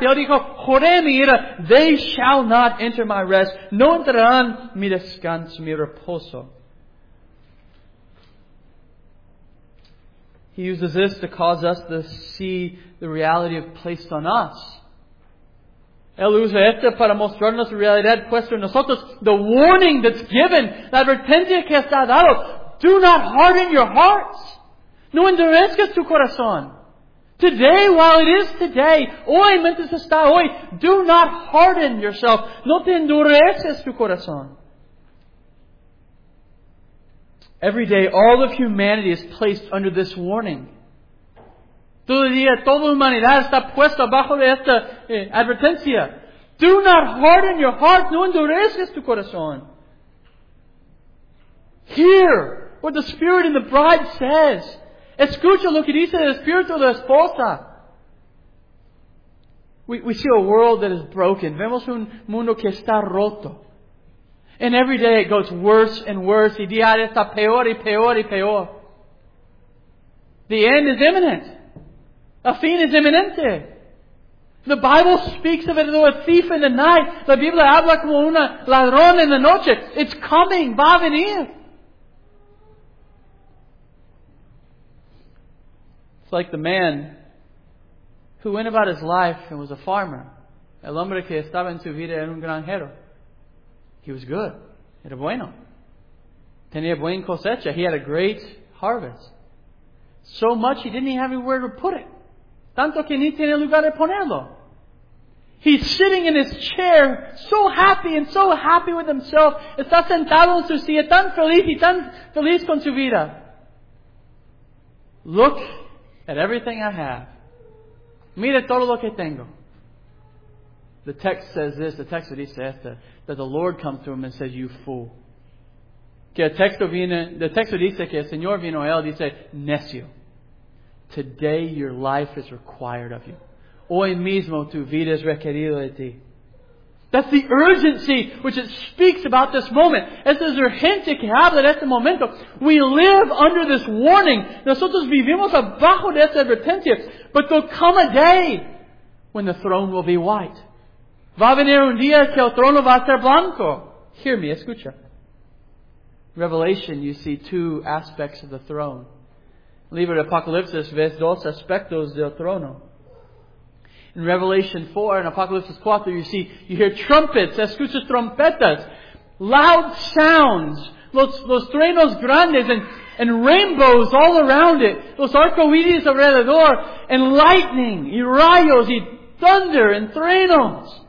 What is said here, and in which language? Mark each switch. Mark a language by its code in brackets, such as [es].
[es] Él dijo, juré mi ira. [en] They shall not enter my rest. [es] No entrarán mi descanso, mi reposo. [en] He uses this to cause us to see the reality of placed on us. [es] Él usa esto para mostrarnos la realidad puesta en nosotros. [en] The warning that's given, [es] la advertencia que está dado. [en] Do not harden your hearts. [es] No endurezcas tu corazón. [en] Today, while it is today, [es] hoy, mientras está hoy, [en] do not harden yourself. [es] No te endureces tu corazón. [en] Every day, all of humanity is placed under this warning. [es] Todo día, toda la humanidad está puesta bajo de esta advertencia. [en] Do not harden your heart. [es] No endureces tu corazón. [en] Hear what the Spirit and the Bride says. [es] Escucha lo que dice el Espíritu de la Esposa. [en] We see a world that is broken. [es] Vemos un mundo que está roto. [en] And every day it goes worse and worse. [es] Y día está peor y peor y peor. [en] The end is imminent. [es] A fin es inminente. [en] The Bible speaks of it as a thief in the night. [es] La Biblia habla como un ladrón en la noche. [en] It's coming. [es] Va a venir. [en] It's like the man who went about his life and was a farmer. [es] El hombre que estaba en su vida era un granjero. He was good. Era bueno. Tenía buena cosecha. [en] He had a great harvest. So much he didn't have anywhere to put it. [es] Tanto que ni tiene lugar de ponerlo. [en] He's sitting in his chair, so happy and so happy with himself. [es] Está sentado en su silla, tan feliz y tan feliz con su vida. [en] Look at everything I have. [es] Mira todo lo que tengo. [en] The text says this, the text that he says that the Lord comes to him and says, you fool. [es] Que el texto viene, the texto dice que el Señor vino a él y dice, necio. [en] Today your life is required of you. [es] Hoy mismo tu vida es requerido de ti. [en] That's the urgency which it speaks about this moment. [es] Esta es urgente que habla de este momento. [en] We live under this warning. [es] Nosotros vivimos abajo de esta advertencia. [en] But there'll come a day when the throne will be white. [es] Va a venir un día que el trono va a ser blanco. [en] Hear me, [es] escucha. [en] Revelation, you see two aspects of the throne. [es] Libro de Apocalipsis, ves dos aspectos del trono. In Revelation 4 and Apocalipsis 4, [en] you hear trumpets, [es] escuchas trompetas, [en] loud sounds, [es] los truenos grandes, [en] and rainbows all around it, [es] los arcoíris alrededor, and lightning, y rayos, y thunder, and truenos.